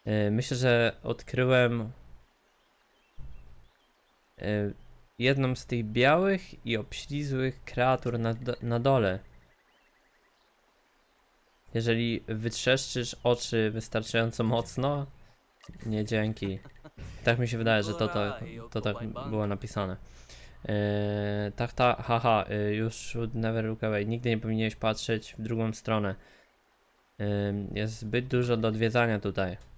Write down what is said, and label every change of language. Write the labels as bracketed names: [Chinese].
[Polish] Myślę, że odkryłem jedną z tych białych i obślizłych kreatur na dole. Jeżeli wytrzeszczysz oczy wystarczająco mocno. Nie, dzięki. Tak mi się wydaje, że to tak było napisane. Tak, ta, [English] haha, you should never look away. [Polish] Nigdy nie powinieneś patrzeć w drugą stronę. Jest zbyt dużo do odwiedzania tutaj.